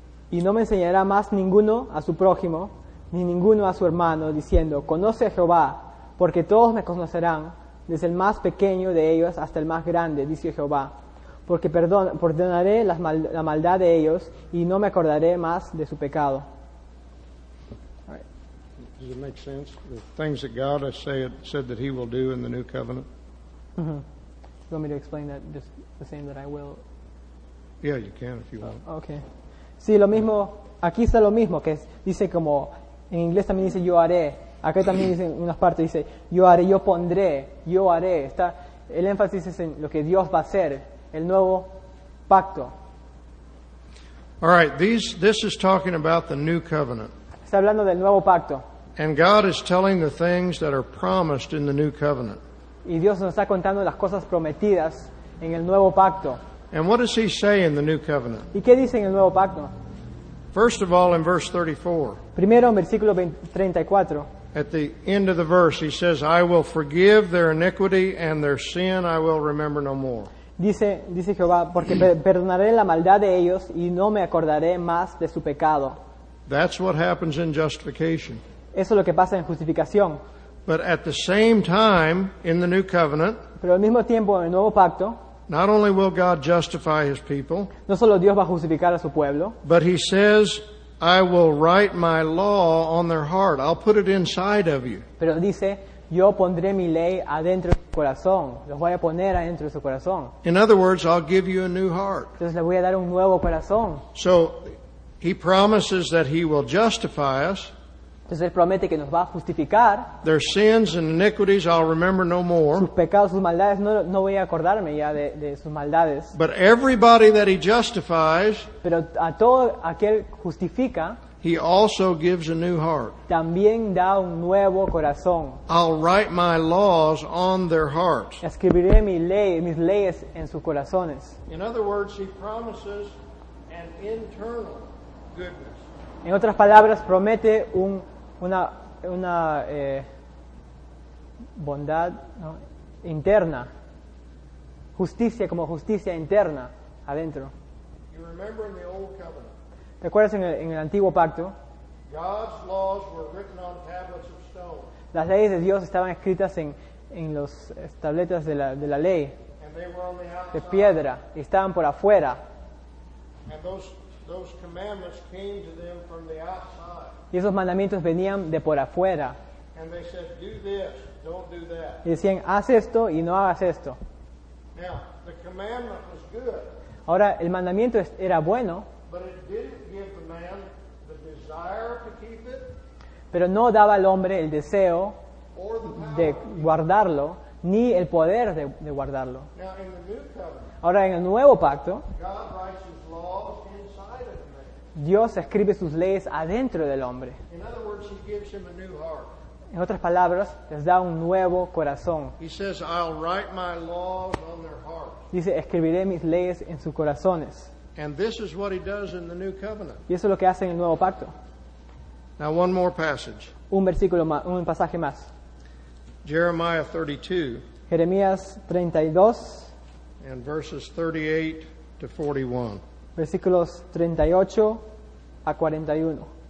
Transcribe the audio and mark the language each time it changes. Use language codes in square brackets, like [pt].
[es] Y no me enseñará más ninguno a su prójimo ni ninguno a su hermano diciendo, conoce a Jehová, porque todos me conocerán, desde el más pequeño de ellos hasta el más grande, dice Jehová, porque perdonaré la maldad de ellos y no me acordaré más de su pecado. [en] Does it make sense? The things that God has said that he will do in the new covenant? Mm-hmm. You want me to explain that just the same that I will? Yeah, you can if you want. [es] Okay. Sí, lo mismo. Aquí está lo mismo, que dice como, en inglés también dice yo haré. Acá también dice en unas partes, dice yo haré, yo pondré, yo haré. Está, el énfasis es en lo que Dios va a hacer, el nuevo pacto. [en] All right, this is talking about the new covenant. [es] Está hablando del nuevo pacto. [en] And God is telling the things that are promised in the new covenant. [es] Y Dios nos está contando las cosas prometidas en el nuevo pacto. [en] And what does he say in the new covenant? [es] ¿Y qué dice en el nuevo pacto? [en] First of all, in verse 34. [es] Primero, en versículo 34. [en] At the end of the verse, he says, I will forgive their iniquity and their sin I will remember no more. [es] Dice Jehová, porque perdonaré la maldad de ellos y no me acordaré más de su pecado. [en] That's what happens in justification. [es] Eso es lo que pasa en justificación. [en] But at the same time, in the new covenant, [es] pero al mismo tiempo, en el nuevo pacto, [en] not only will God justify his people, [es] no solo Dios va a justificar a su pueblo, [en] but he says, I will write my law on their heart. I'll put it inside of you. [es] Pero dice, yo pondré mi ley adentro de su corazón. Los voy a poner adentro de su corazón. [en] In other words, I'll give you a new heart. [es] Entonces le voy a dar un nuevo corazón. [en] So, he promises that he will justify us. [es] Entonces él promete que nos va a justificar. [en] Their sins and iniquities I'll remember no more. [es] Sus pecados, sus maldades, no voy a acordarme ya de sus maldades. [en] But everybody that he justifies, [es] pero a todo aquel justifica, [en] he also gives a new heart. [es] También da un nuevo corazón. [en] I'll write my laws on their hearts. [es] Escribiré mis leyes en sus corazones. [en] In other words, he promises an internal goodness. [es] En otras palabras, promete una bondad, ¿no?, interna, justicia como justicia interna adentro. [en] You remember in the old covenant. [es] ¿Te acuerdas en el antiguo pacto? [en] God's laws were written on tablets of stone. [es] Las leyes de Dios estaban escritas en los tabletas de la ley, [en] and they were on the outside. [es] De piedra, y estaban por afuera. [en] And those commandments came to them from the outside. [es] Y esos mandamientos venían de por afuera. [en] And they said, do this, don't do that. [es] Y decían, haz esto y no hagas esto. [en] Now, the commandment was good. [es] Ahora, el mandamiento era bueno, [en] but it didn't give the man the desire to keep it, [es] pero no daba al hombre el deseo de guardarlo, ni el poder de guardarlo. [en] Now, in the new covenant, [es] ahora, en el nuevo pacto, [en] God writes his laws inside of the man. [es] Dios escribe sus leyes adentro del hombre. [en] In other words, he gives him a new heart. [es] En otras palabras, les da un nuevo corazón. [en] He says, I'll write my laws on their hearts. [es] Dice, escribiré mis leyes en sus corazones. [en] And this is what he does in the new covenant. [es] Y eso es lo que hace en el nuevo pacto. [en] Now one more passage. [es] Un versículo más, un pasaje más. [en] Jeremiah 32. [es] Jeremías 32. [en] And verses 38 to 41. [es] Versículos 38 a 41.